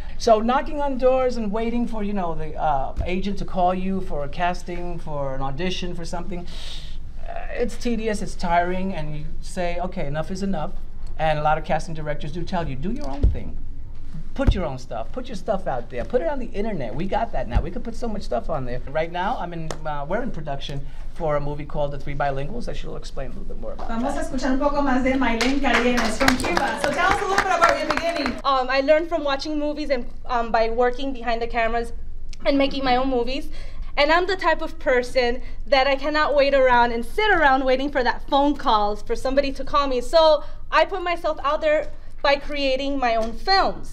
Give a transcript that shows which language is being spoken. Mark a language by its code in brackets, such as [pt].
[en] So knocking on doors and waiting for, you know, the agent to call you for a casting, for an audition, for something, it's tedious, it's tiring, and you say, okay, enough is enough. And a lot of casting directors do tell you, do your own thing. Put your own stuff. Put your stuff out there. Put it on the internet. We got that now. We could put so much stuff on there. Right now, we're in production for a movie called The Three Bilinguals. I should explain a little bit more about that. [es] Vamos a escuchar un poco más de Maylen Calienes [en] from Cuba. So tell us a little bit about your beginning. I learned from watching movies and by working behind the cameras and making my own movies. And I'm the type of person that I cannot wait around and sit around waiting for that phone calls for somebody to call me. So I put myself out there by creating my own films.